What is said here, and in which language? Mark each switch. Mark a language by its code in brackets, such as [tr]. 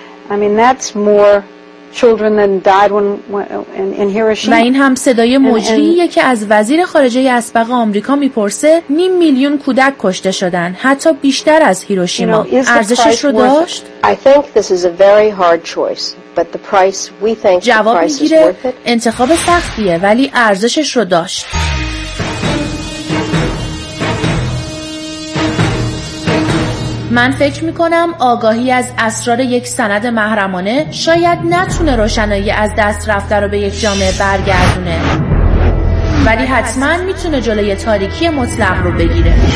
[en] I mean that's more children than died when in Hiroshima. [fa] و این هم صدای مجریه که از وزیر خارجه اسبق آمریکا میپرسه. نیم میلیون کودک کشته شدن، حتی بیشتر از هیروشیما. ارزشش رو داشت؟ [en] I think this is a very hard choice, but the price we think [fa] جواب [en] the price [fa] میگیره. انتخاب سختیه ولی ارزشش رو داشت. من فکر میکنم آگاهی از اسرار یک سند محرمانه شاید نتونه روشنایی از دست رفته رو به یک جامعه برگردونه، ولی حتما میتونه جلوی تاریکی مطلق رو بگیره.